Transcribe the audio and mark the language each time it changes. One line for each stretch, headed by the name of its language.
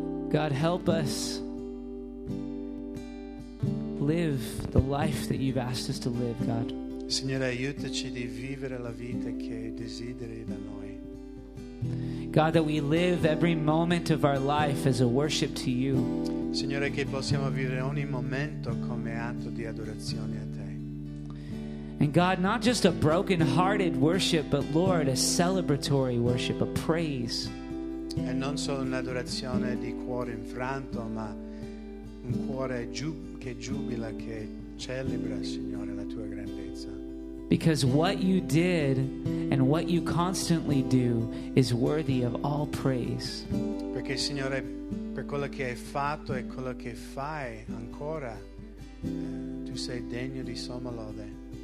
English: God, help us live the life that you've asked us to live, God.
Italian: Signore, aiutaci di vivere la vita che desideri da noi.
English: God, that we live every moment of our life as a worship to you.
Italian: Signore, che possiamo vivere ogni momento come atto di adorazione a te.
English: And God, not just a broken-hearted worship, but Lord, a celebratory worship, a praise.
Italian: E non solo un'adorazione di cuore infranto, ma un cuore che giubila, che celebra, Signore, la tua grandezza.
English: Because what you did and what you constantly do is worthy of all praise.
Italian: Perché, Signore, per quello che hai fatto e quello che fai ancora, tu sei degno di somma lode.